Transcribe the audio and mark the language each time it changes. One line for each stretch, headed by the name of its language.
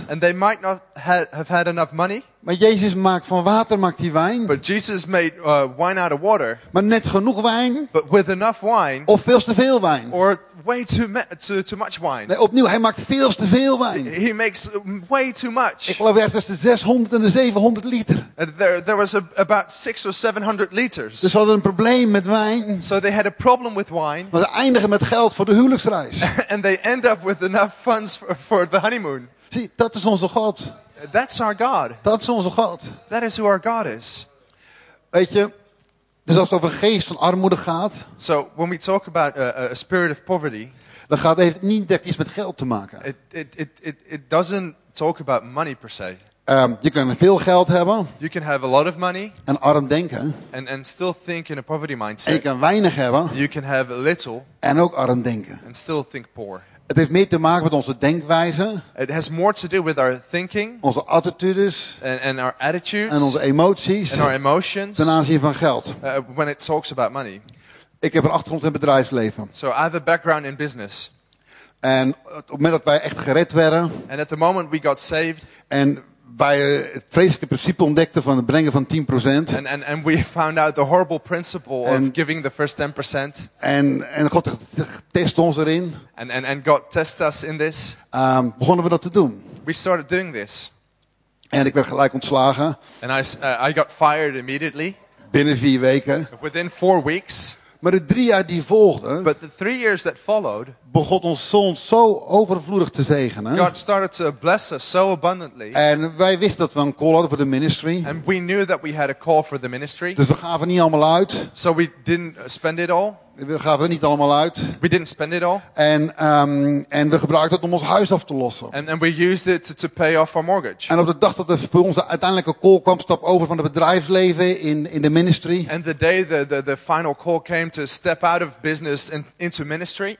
English: And they might not have had enough money.
Dutch: Maar Jezus maakt van water maakt hij wijn.
English: But Jesus made wine out of water.
Dutch: Maar net genoeg wijn.
English: But with enough wine.
Dutch: Of veel te veel wijn.
English: Or way too much wine.
Dutch: Nee, opnieuw, hij maakt veel te veel wijn.
English: He makes way too much.
Dutch: Ik geloof ergens tussen 600 en de 700 liter.
English: There was about 600 or 700 liters.
Dutch: Dus ze hadden een probleem met wijn.
English: So they had a problem with wine.
Dutch: Maar ze eindigen met geld voor de huwelijksreis.
English: And they end up with enough funds for the honeymoon.
Dutch: Zie, dat is onze God.
English: That's our God.
Dutch: Dat is onze God.
English: That is who our God is.
Dutch: Weet je, dus als het over een geest van armoede gaat.
English: So when we talk about a spirit of poverty,
Dutch: dan gaat het niet direct iets met geld te maken.
English: It doesn't talk about money per se.
Dutch: Je kan veel geld hebben.
English: You can have a lot of money.
Dutch: En arm denken.
English: And still think in a poverty mindset.
Dutch: En je kan weinig hebben.
English: You can have a little.
Dutch: En ook arm denken.
English: And still think poor.
Dutch: Het heeft meer te maken met onze denkwijze.
English: It has more to do with our thinking.
Dutch: Onze attitudes.
English: And our attitudes.
Dutch: En onze emoties.
English: And our emotions.
Dutch: Ten aanzien van geld.
English: When it talks about money.
Dutch: Ik heb een achtergrond in bedrijfsleven.
English: So I have a background in business.
Dutch: En op het moment dat wij echt gered werden.
English: And at the moment we got saved.
Dutch: En wij het vreselijke principe ontdekten van het brengen van 10%.
English: And we found out the horrible principle of giving the first 10%.
Dutch: En God test ons erin.
English: And God test us in this.
Dutch: Begonnen we dat te doen.
English: We started doing this.
Dutch: En ik werd gelijk ontslagen.
English: And I got fired immediately.
Dutch: Binnen 4 weken.
English: Within 4 weeks.
Dutch: Maar de 3 jaar die volgden.
English: But the 3 years that followed.
Dutch: Begon ons soms zo overvloedig te zegenen.
English: God started to bless us so abundantly.
Dutch: En wij wisten dat we een call hadden voor de ministry.
English: And we knew that we had a call for the ministry.
Dutch: Dus we gaven niet allemaal uit.
English: So we didn't spend it all.
Dutch: We gaven niet allemaal uit.
English: We didn't spend it all.
Dutch: En we gebruikten het om ons huis af te lossen.
English: And we used it to pay off our mortgage.
Dutch: En op de dag dat er voor onze uiteindelijke call kwam, stap over van het bedrijfsleven in de ministry.
English: And the day the final call came to step out of business and into ministry.